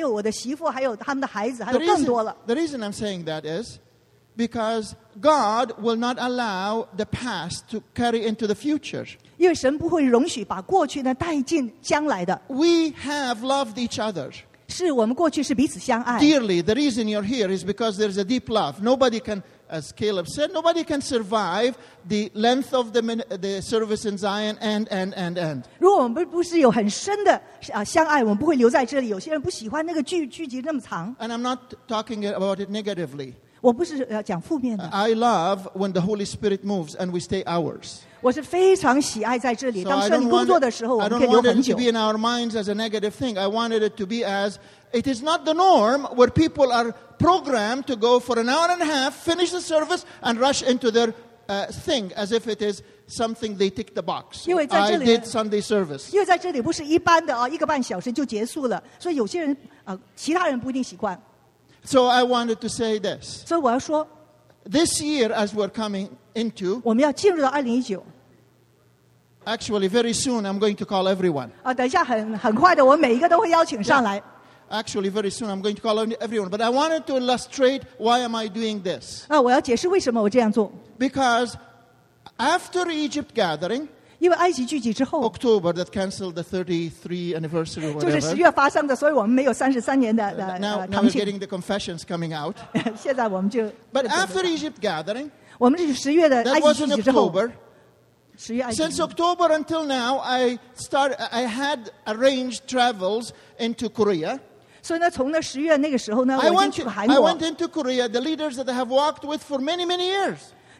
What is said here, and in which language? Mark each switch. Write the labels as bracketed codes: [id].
[zh] 当然，我这个大儿子我们是生活很多年，但是现在还有我的媳妇，还有他们的孩子，还有更多了。 [en] The reason I'm saying that is because God will not allow the past to carry into the future. We have loved each other. Dearly, the reason you're here is because there's a deep love. Nobody can, as Caleb said, nobody can survive the length of the service in Zion and. [zh] 如果我们不是有很深的相爱，我们不会留在这里。有些人不喜欢那个聚集那么长。 [en] And I'm not talking about it negatively. [zh] 我不是讲负面的。 [en] I love when the Holy Spirit moves and we stay hours. [zh] 我是非常喜爱在这里, 当圣灵工作的时候, [en] I don't want it to be in our minds as a negative thing. I wanted it to be as it is not the norm where people are programmed to go for an hour and a half, finish the service, and rush into their thing as if it is something they tick the box. [zh] 因为在这里, [en] I did Sunday service. [zh] 因为在这里不是一般的啊, 一个半小时就结束了, 所以有些人, 其他人不一定习惯。 [en] So I wanted to say this. So [zh] 我要说, [en] this year, as we're coming into, [zh] 我们要进入到2019, [en] actually, very soon, I'm going to call everyone. [zh] 等一下很快的我每一个都会邀请上来。 [en] Yeah. Actually, very soon, I'm going to call everyone. But I wanted to illustrate why am I doing this. [zh] 我要解释为什么我这样做。 [en] Because after Egypt gathering, [zh] 因为埃及聚集之后, [en] October that canceled the 33 anniversary or whatever. [zh] 就是10月发生的, 所以我们没有33年的, [en] now, now we're getting the confessions coming out. [zh] 现在我们就, [en] but after Egypt gathering, [zh] 我们是10月的埃及聚集之后, [en] that was in October. [zh] 10月埃及聚集, [en] since October until now, I had arranged travels into Korea. [zh] 所以呢,从那10月那个时候呢, [en] I went into Korea, the leaders that I have walked with for many, many years.